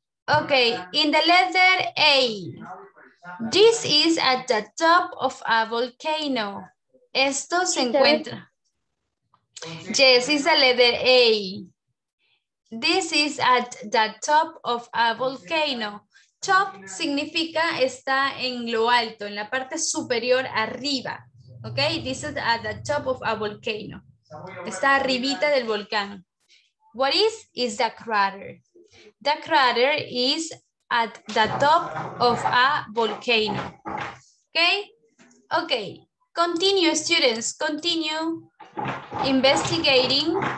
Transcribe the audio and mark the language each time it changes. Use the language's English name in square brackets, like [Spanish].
[English] Okay, in the letter A, this is at the top of a volcano. [Spanish] Esto se encuentra. [English] Yes, it's the letter A. This is at the top of a volcano. [Spanish] Top significa está en lo alto, en la parte superior, arriba. [English] Okay, this is at the top of a volcano. [Spanish] Está arribita del volcán. [English] What is the crater? The crater is at the top of a volcano. Okay? Okay, continue students, continue investigating.